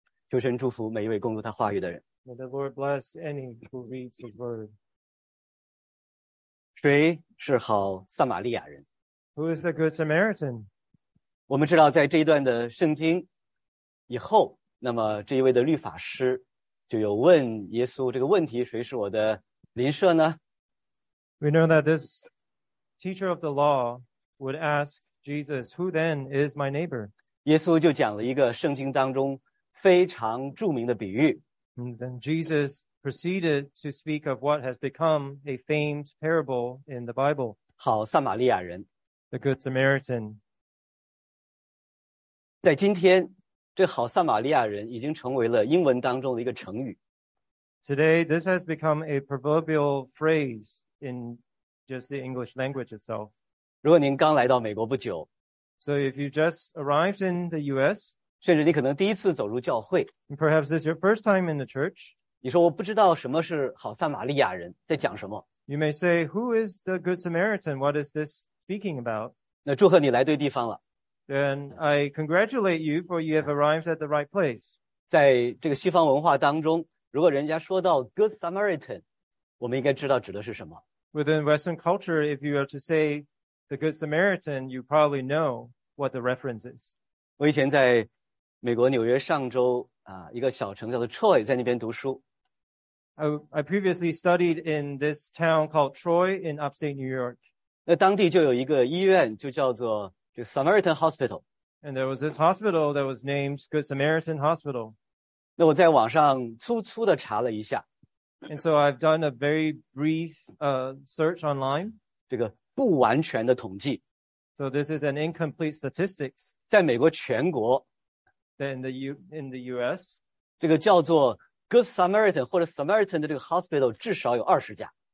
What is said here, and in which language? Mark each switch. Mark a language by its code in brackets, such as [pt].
[zh] 求神祝福每一位共读他话语的人。 [en] May the Lord bless any who reads his word. [zh] 谁是好撒玛利亚人？ [en] Who is the good Samaritan? [zh] 我们知道在这一段的圣经以后，那么这一位的律法师就有问耶稣这个问题，谁是我的邻舍呢？ [en] We know that this teacher of the law would ask Jesus, who then is my neighbor? [zh] 耶稣就讲了一个圣经当中非常著名的比喻。 [en] And then Jesus proceeded to speak of what has become a famed parable in the Bible. [zh] 好撒玛利亚人。 [en] The Good Samaritan. [zh] 在今天，这好撒玛利亚人已经成为了英文当中的一个成语。 [en] Today, this has become a proverbial phrase in just the English language itself. [zh] 如果您刚来到美国不久， [en] So if you just arrived in the US, [zh] 甚至你可能第一次走入教会， [en] Perhaps this is your first time in the church, [zh] 你说我不知道什么是好撒玛利亚人，在讲什么。 [en] You may say, who is the Good Samaritan? What is this speaking about? [zh] 那祝贺你来对地方了。 [en] Then I congratulate you for you have arrived at the right place. [zh] 在这个西方文化当中，如果人家说到 Good Samaritan, 我们应该知道指的是什么。 [en] Within Western culture, if you are to say the Good Samaritan, you probably know what the reference is. [zh] 我以前在美国纽约上州一个小城叫做 Troy, 在那边读书。 [en] I previously studied in this town called Troy in upstate New York. [zh] 那当地就有一个医院就叫做这个 Samaritan Hospital. [en] And there was this hospital that was named Good Samaritan Hospital. [zh] 那我在网上粗粗的查了一下。 [en] And so I've done a very brief, search online. [zh] 这个不完全的统计。 [en] So this is an incomplete statistics. [zh] 在美国全国。 [en] Then in the US. [zh] 这个叫做 Good Samaritan 或者 Samaritan 的这个 hospital 至少有20家。